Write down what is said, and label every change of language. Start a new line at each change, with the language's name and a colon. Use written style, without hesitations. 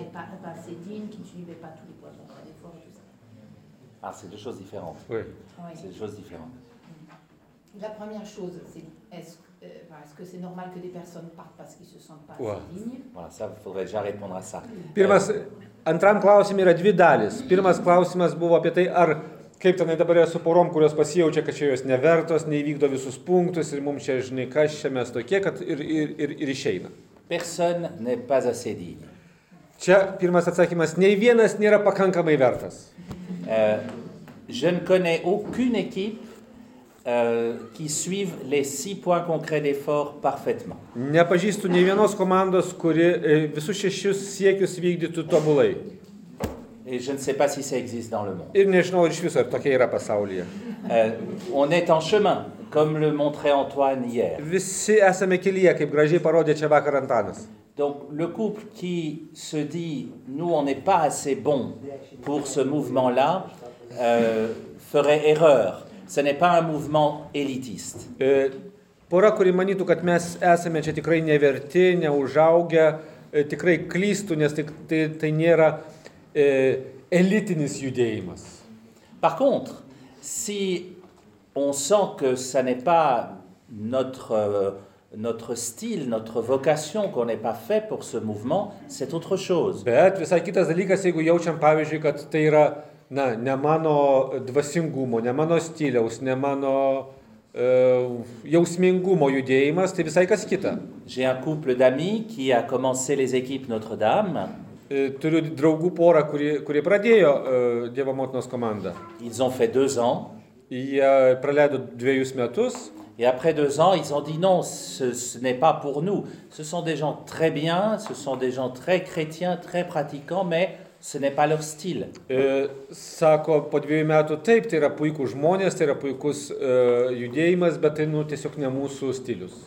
French: Pas assez dignes, qui ne suivaient pas tous les poissons, pas des forts et tout ça. Ah, c'est deux choses différentes. Oui. C'est deux choses différentes. La première chose, c'est est-ce que c'est normal que des personnes partent parce qu'ils ne se sentent pas assez dignes? Voilà, ça, il faudrait déjà répondre à ça.
Lithuanian: Antram klausime yra dvi dalys. Pirmas klausimas buvo apie tai, ar kaip tenai dabar yra su porom, kurios pasijaučia, kad čia jos nevertos, neįvykdo visus punktus ir mums čia, žinai, kas čia mes tokie, kad ir išeina.
French: Personne n'est pas assez digne.
Lithuanian: Čia pirmas atsakymas, nei vienas nėra pakankamai vertas.
French: Je ne connais aucune équipe qui suive les 6 points concrets d'effort parfaitement.
Lithuanian: Nepažįstu nei vienos komandos, kuri visus šešius siekius vykdytų tobulai.
French: Et je ne sais pas si ça existe dans le monde.
Lithuanian: Ir nežinau, iš viso, ar tokia yra pasaulyje.
French: On est en chemin, comme le montrait Antoine hier.
Lithuanian: Visi esame kelyje, kaip gražiai parodė čia vakar Antanas.
French: Donc le couple qui se dit nous on n'est pas assez bon pour ce mouvement là ferait erreur. Ce n'est pas un mouvement élitiste.
Lithuanian: Pora, kuri manytų, kad mes esame čia tikrai neverti, neužaugę, tikrai klystų, nes tai nėra elitinis judėjimas.
French: Par contre, si on sent que ça n'est pas notre style, notre vocation, qu'on n'est pas fait pour ce mouvement, c'est autre chose.
Lithuanian: Bet visai kitas dalykas, jeigu jaučiam, pavyzdžiui, kad tai yra na, ne mano dvasingumo, ne mano stiliaus, ne mano jausmingumo judėjimas, tai visai kas kita.
French: J'ai un couple d'amis qui a commencé les équipes Notre-Dame.
Lithuanian: Turiu draugų porą, kurie pradėjo Dievo motinos komandą.
French: Ils ont fait 2 ans.
Lithuanian: Jie praleido 2 metus.
French: Et après 2 ans, ils ont dit non, ce n'est pas pour nous. Ce sont des gens très bien, ce sont des gens très chrétiens, très pratiquants, mais ce n'est pas leur style.
Lithuanian: Sako, po 2 metų, taip, tai yra puikus žmonės, tai yra puikus judėjimas, bet tai nu, tiesiog ne mūsų stilius.